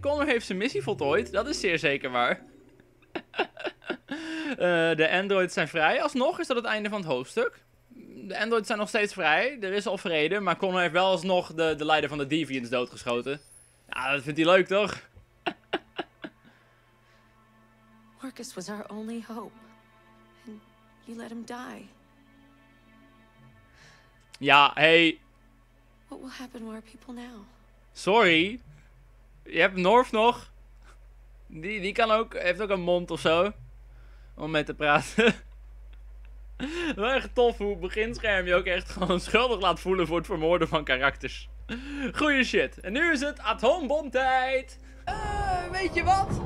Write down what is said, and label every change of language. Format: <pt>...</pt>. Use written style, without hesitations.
<nl>Connor heeft zijn missie voltooid. Dat is zeer zeker waar. De androids zijn vrij. Alsnog is dat het einde van het hoofdstuk. De androids zijn nog steeds vrij. Er is al vrede. Maar Connor heeft wel alsnog de leider van de Deviants doodgeschoten. Ja, dat vindt hij leuk, toch?</nl> <en>Marcus was our only hope. And you let him die. Ja, hey. What will happen to our people now?</en> <nl>Sorry, je hebt North nog. Die kan ook, heeft ook een mond of zo om mee te praten. Wel echt tof hoe beginscherm je ook echt gewoon schuldig laat voelen voor het vermoorden van karakters. Goeie shit. En nu is het atoombom tijd. Weet je wat?</nl>